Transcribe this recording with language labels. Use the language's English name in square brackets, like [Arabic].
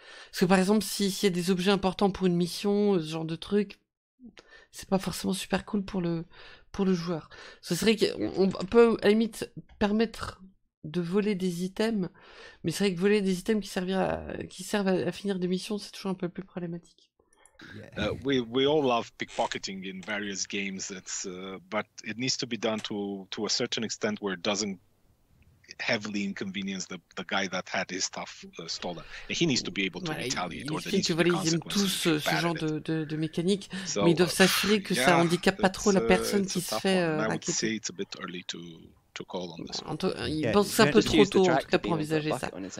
[French] Parce que par exemple, s'il y a des objets importants pour une mission, ce genre de truc, c'est pas forcément super cool pour le joueur. Ce serait qu'on peut à la limite permettre de voler des items, mais c'est vrai que voler des items qui servent à finir des missions, c'est toujours un peu plus problématique. [English] We all love pickpocketing in various games. It's but it needs to be done to a certain extent where it doesn't heavily inconvenience the guy that had his stuff stolen. And he needs to be able to retaliate. Or they need to [French] ils aiment tous ce genre de mécanique, so, mais ils doivent s'assurer que ça handicape pas trop la personne qui se fait hacker. [English] It's a bit early to call on this. [French] Ils pensent un peu trop tôt en tout cas pour envisager ça.